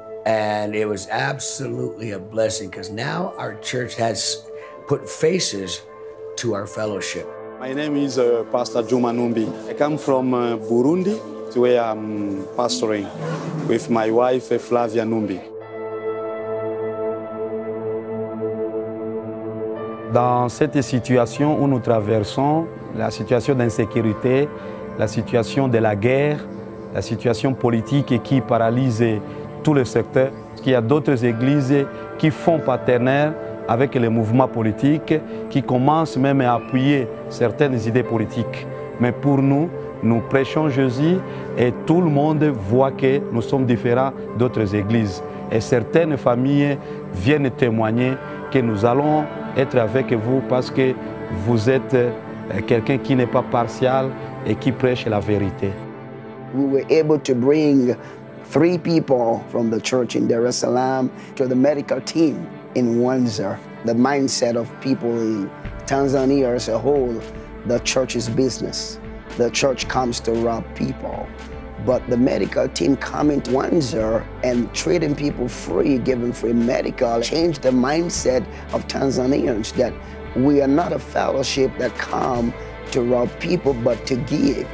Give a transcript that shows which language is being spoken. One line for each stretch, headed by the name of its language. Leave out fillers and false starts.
English: And it was absolutely a blessing because now our church has put faces to our fellowship. My name is Pastor Juma Numbi. I come from Burundi, where I'm pastoring with my wife, Flavia Numbi.
French: Dans cette situation où nous traversons, la situation d'insécurité, la situation de la guerre, la situation politique qui paralyse tout le secteur, il y a d'autres églises qui font partenaire avec les mouvements politiques, qui commencent même à appuyer certaines idées politiques. Mais pour nous, nous prêchons Jésus et tout le monde voit que nous sommes différents d'autres églises. Et certaines familles viennent témoigner que nous allons être avec vous parce que vous êtes quelqu'un qui n'est pas partial et qui prêche la vérité.
English: We were able to bring three people from the church in Dar es Salaam to the medical team in Windsor. The mindset of people in Tanzania as a whole, the church is business. The church comes to rob people. But the medical team coming to Windsor and treating people free, giving free medical, changed the mindset of Tanzanians that we are not a fellowship that come to rob people, but to give.